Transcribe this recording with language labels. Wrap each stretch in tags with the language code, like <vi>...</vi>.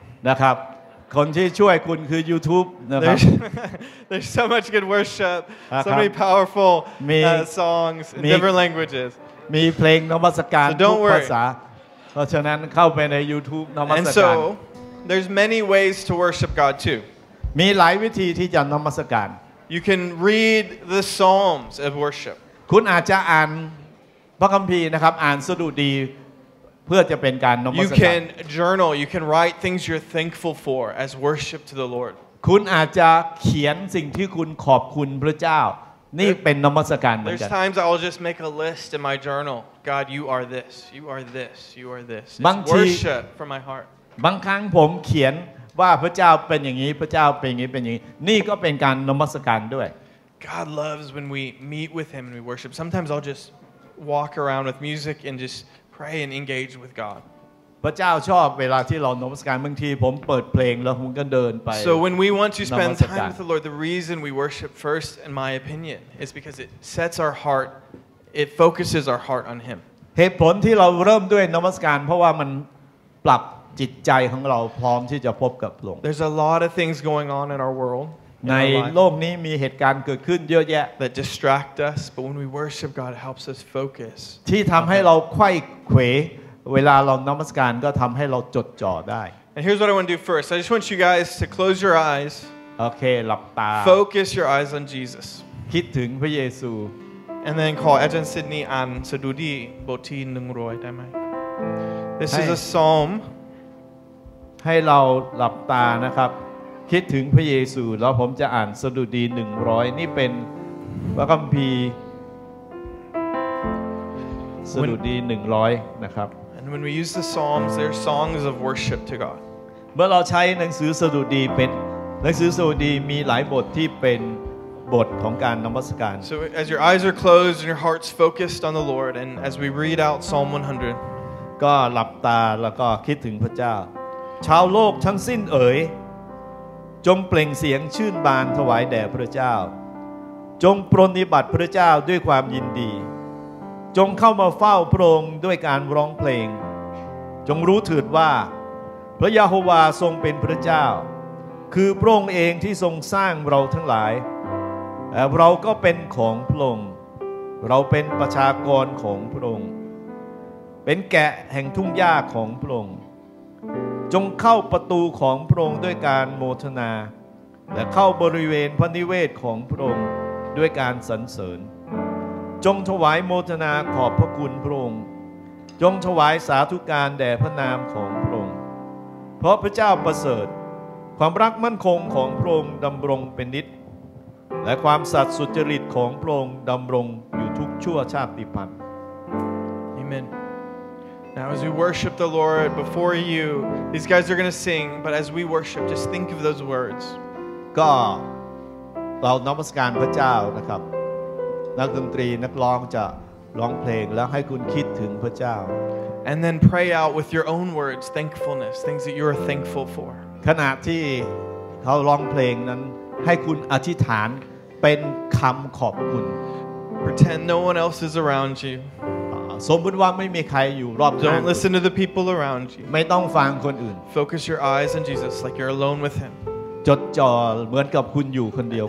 <th>นะครับคนที่ช่วยคุณคือ YouTube นะครับ</th> <en>There's so much good worship so many powerful songs in different languages</en> <th>มีเพลงนมัสการทุกภาษาเพราะฉะนั้นเข้าไปใน YouTube นมัสการ</th> <en>And so there's many ways to worship God too.</en> <th>มีหลายวิธีที่จะนมัสการ</th> <en>You can read the Psalms of worship.</en> <th>คุณอาจจะอ่านพระคัมภีร์นะครับอ่านสดุดีเพื่อจะเป็นการนมัสการ</th> <en>You can journal, you can write things you're thankful for as worship to the Lord.</en> <th>คุณอาจจะเขียนสิ่งที่คุณขอบคุณพระเจ้านี่เป็นนมัสการเหมือนกัน</th> <en>There's times I'll just make a list in my journal. God you are this you are this you are this worship from my heart</en> <th>บางครั้งผมเขียนว่าพระเจ้าเป็นอย่างนี้พระเจ้าเป็นอย่างนี้เป็นอย่างนี้นี่ก็เป็นการนมัสการด้วย</th> <en>God loves when we meet with him and we worship sometimes I'll just walk around with music and just pray and engage with God</en> <th>พระเจ้าชอบเวลาที่เรานมัสการบางทีผมเปิดเพลงแล้วผมก็เดินไป</th> <en>So when we want to spend time with the Lord the reason we worship first in my opinion is because it sets our heartIt focuses our heart on Him.</en> <th>เหตุผลที่เราเริ่มด้วยนมัสการเพราะว่ามันปรับจิตใจของเราพร้อมที่จะพบกับพระองค์</th> <en>There's a lot of things going on in our world.</en> <th>ในโลกนี้มีเหตุการณ์เกิดขึ้นเยอะแยะ</th> <en>That distract us, but when we worship God, it helps us focus.</en> <th>ที่ทำให้เราไขว้เขวเวลาเรานมัสการก็ทำให้เราจดจ่อได้</th> <en>And here's what I want to do first. I just want you guys to close your eyes.</en> <th>Okay, หลับตา</th> <en>Focus your eyes on Jesus.</en> <th>คิดถึงพระเยซู</th> <en>And then call Agent Sydney and Sadudi Boti Nungroy Damai. This is a psalm.</en> <th>ให้เราหลับตานะครับคิดถึงพระเยซูแล้วผมจะอ่านสดุดี100นี่เป็นพระคัมภีร์สดุดี100นะครับ</th> <en>And when we use the psalms, they're songs of worship to God.</en> <th>เมื่อเราใช้หนังสือสดุดีเป็นหนังสือสดุดีมีหลายบทที่เป็นบทของการนมัสการ</th> <en>So as your eyes are closed and your heart's focused on the Lord and as we read out Psalm 100</en> <th>ก็หลับตาแล้วก็คิดถึงพระเจ้าชาวโลกทั้งสิ้นเอ๋ยจงเปล่งเสียงชื่นบานถวายแด่พระเจ้าจงปรนนิบัติพระเจ้าด้วยความยินดีจงเข้ามาเฝ้าพระองค์ด้วยการร้องเพลงจงรู้เถิดว่าพระยะโฮวาทรงเป็นพระเจ้าคือพระองค์เองที่ทรงสร้างเราทั้งหลาย เราก็เป็นของพระองค์เราเป็นประชากรของพระองค์เป็นแกะแห่งทุ่งหญ้าของพระองค์ จงเข้าประตูของพระองค์ด้วยการโมทนาและเข้าบริเวณพระนิเวศของพระองค์ด้วยการสรรเสริญจงถวายโมทนาขอบพระคุณพระองค์จงถวายสาธุการแด่พระนามของพระองค์เพราะพระเจ้าประเสริฐความรักมั่นคงของพระองค์ดำรงเป็นนิจและความสัตย์สุจริตของพระองค์ดำรงอยู่ทุกชั่วชาติพันธุ์</th> <en>Amen. Now as we worship the Lord before you, these guys are going to sing, but as we worship, just think of those words.</en> <th>ก็เรานมัสการพระเจ้านะครับนักดนตรีนักร้องจะร้องเพลงแล้วให้คุณคิดถึงพระเจ้า</th> <en>And then pray out with your own words, thankfulness, things that you are thankful for.</en> <th>ขณะที่เขาร้องเพลงนั้นให้คุณอธิษฐานเป็นคำขอบคุณ</th> <en>Pretend no one else is around you.</en> <th>สมมติว่าไม่มีใครอยู่รอบข้าง</th> <en>Don't listen to the people around you.</en> <th>ไม่ต้องฟังคนอื่น</th> <en>Focus your eyes on Jesus like you're alone with him.</en> <th>จดจ่อเหมือนกับคุณอยู่คนเดียวก</th>